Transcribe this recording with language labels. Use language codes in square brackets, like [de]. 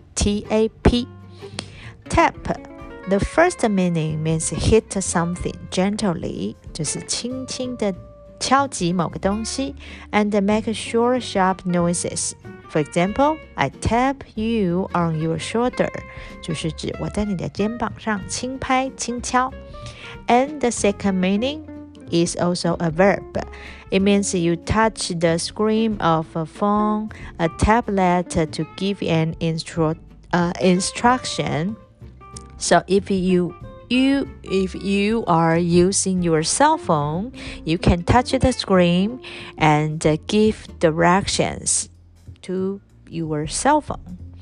[en] T-A-P Tap The first meaning means hit something gently. [zh] 就是轻轻地敲击某个东西 [en] and make sure sharp noises. For example, I tap you on your shoulder. [zh] 就是指我在你的肩膀上轻拍轻敲。 [en] And the second meaning is also a verb. It means you touch the screen of a phone, a tablet to give an instruction. So if you are using your cell phone, you can touch the screen and give directions to your cell phone.